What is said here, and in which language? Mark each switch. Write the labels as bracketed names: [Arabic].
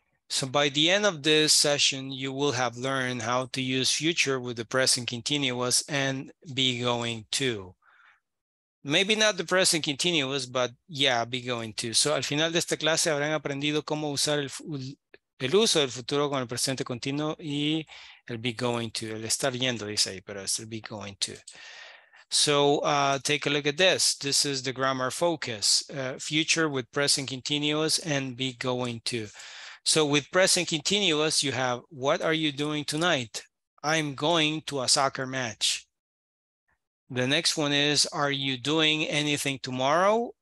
[English] So by the end of this session, you will have learned how to use future with the present continuous and be going to. Maybe not the present continuous, but yeah, be going to. [Spanish] So al final de esta clase habrán aprendido cómo usar el uso del futuro con el presente continuo y el be going to. El estar yendo, dice ahí, pero es el be going to. [English] So take a look at this. This is the grammar focus. Future with present continuous and be going to. So with present continuous, you have, what are you doing tonight? I'm going to a soccer match. The next one is, are you doing anything tomorrow?